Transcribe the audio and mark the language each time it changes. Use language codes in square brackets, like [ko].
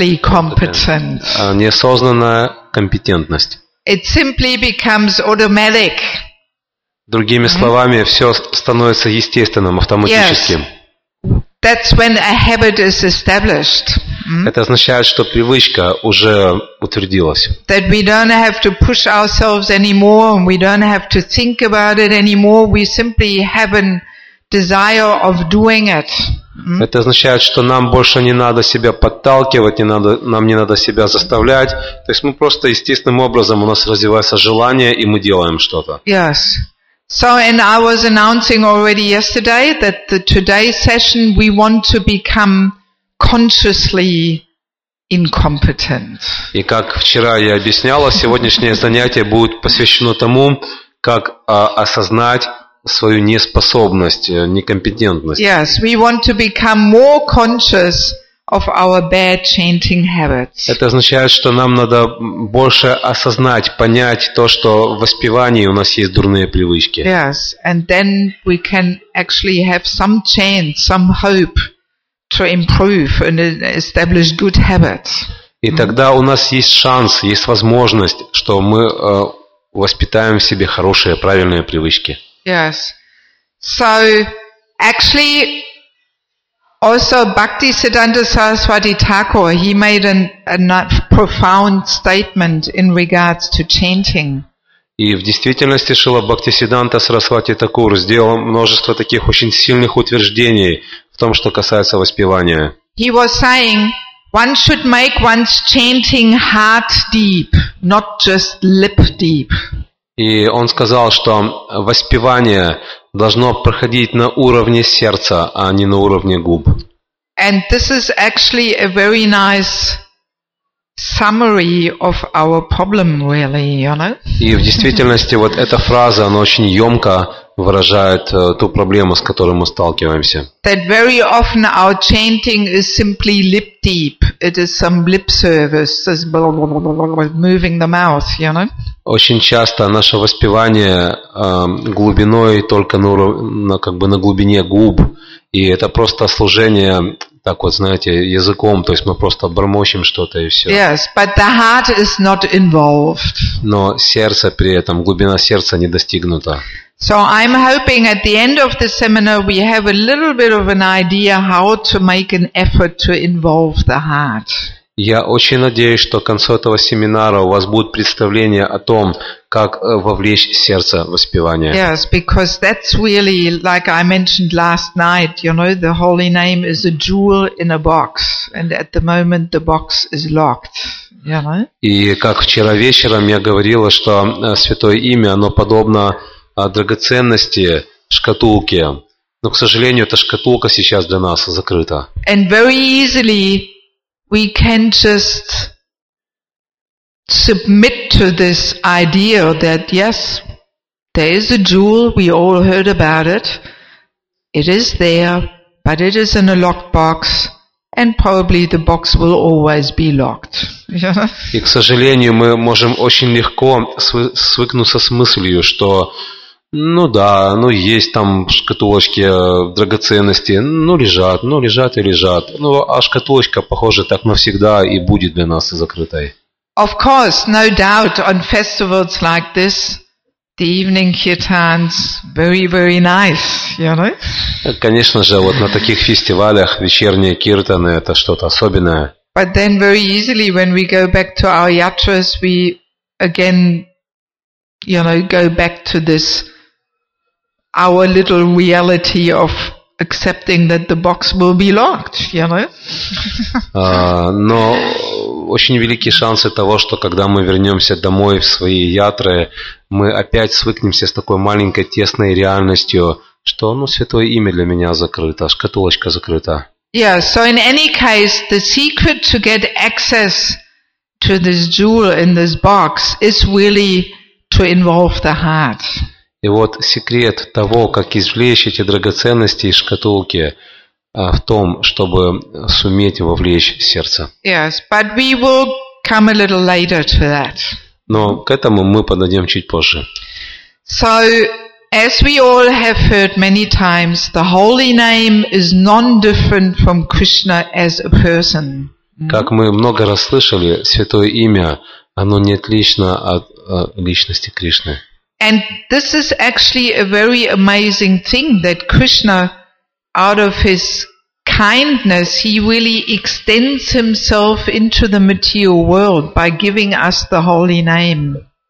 [ru] Неосознанная компетентность. [en] It simply becomes automatic. [ru] Другими словами, все становится естественным, автоматическим. [en] Yes. That's when a habit is established. [ru] Это означает, что привычка уже утвердилась. [en] That we don't have to push ourselves anymore, and we don't have to think about it anymore. We simply have a desire of doing it. [ru] Это означает, что нам больше не надо себя подталкивать, нам не надо себя заставлять. То есть мы просто естественным образом, у нас развивается желание, и мы делаем что-то. [en] Yes. So, and I was announcing already yesterday that the today's session we want to become consciously incompetent. [ru] И как вчера я объясняла, сегодняшнее занятие будет посвящено тому, как осознать свою неспособность, некомпетентность. [en] Yes, we want to become more conscious of our bad chanting habits. [ru] Это означает, что нам надо больше осознать, понять то, что в воспевании у нас есть дурные привычки. [en] Yes, and then we can actually have some chance, some hope to improve and establish good habits. [ru] И тогда у нас есть шанс, есть возможность, что мы воспитаем в себе хорошие, правильные привычки. [en] Yes. So actually also Bhaktisiddhanta Saraswati Thakur, he made a profound statement in regards to chanting. [ru] И в действительности Шрила Бхактисиддханта Сарасвати Такур сделал множество таких очень сильных утверждений в том, что касается воспевания. [en] He was saying one should make one's chanting heart deep, not just lip deep. [ru] И он сказал, что воспевание должно проходить на уровне сердца, а не на уровне губ. [en] And this is actually a very nice summary of our problem, really, you know? [ru] И в действительности вот эта фраза, она очень ёмко выражает ту проблему, с которой мы сталкиваемся. [en] That very often our chanting is simply lip deep. It is some lip service, just blah, blah, blah, blah, blah, moving the mouth, you know? [ru] Очень часто наше воспевание глубиной только на глубине губ, и это просто служение, так вот, знаете, языком, то есть мы просто бормочем что-то и все. [en] Yes, but the heart is not involved. [ru] Но сердце при этом, глубина сердца не достигнута. [en] So I'm hoping at the end of the seminar we have a little bit of an idea how to make an effort to involve the heart. [ru] Я очень надеюсь, что к концу этого семинара у вас будет представление о том, как вовлечь сердце в воспевание. [en] Yes, because that's really, like I mentioned last night, you know, the holy name is a jewel in a box, and at the moment the box is locked, you know. [ru] И как вчера вечером я говорила, что святое имя, оно подобно драгоценности шкатулки, но, к сожалению, эта шкатулка сейчас для нас закрыта. [en] And very easily we can just submit to this idea that yes, there is a jewel, we all heard about it, it is there, but it is in a locked box, and probably the box will always be locked. [ru] И, к сожалению, мы можем очень легко свыкнуться с мыслью, что ну да, ну есть там шкатулочки драгоценности, лежат. Ну а шкатулочка, похоже, так навсегда и будет для нас закрытой. [en] Of course, no doubt, on festivals like this, the evening kirtans very, very nice, you know? [ru] Конечно же, вот на таких фестивалях вечерние киртаны — это что-то особенное. [en] But then very easily when we go back to our yatras, we again, you know, go back to this, our little reality of accepting that the box will be locked, you know? [ru] Но очень велики шансы того, что когда мы вернемся домой в свои ятры, мы опять свыкнемся с такой маленькой тесной реальностью, что, ну, святое имя для меня закрыто, шкатулочка закрыта. [en] Yeah, so in any case, the secret to get access to this jewel in this box is really to involve the heart. [ru] И вот секрет того, как извлечь эти драгоценности из шкатулки, в том, чтобы суметь вовлечь сердце. [en] Yes, but we will come a little later to that. [ru] Но к этому мы подойдем чуть позже. [en] So, as we all have heard many times, the holy name is non-different from Krishna as a person. [ru] Как мы много раз слышали, святое имя, оно не отлично от личности Кришны. [en] And this is actually a very amazing thing that Krishna, out of his kindness, he really extends himself into the material world by giving us the holy name.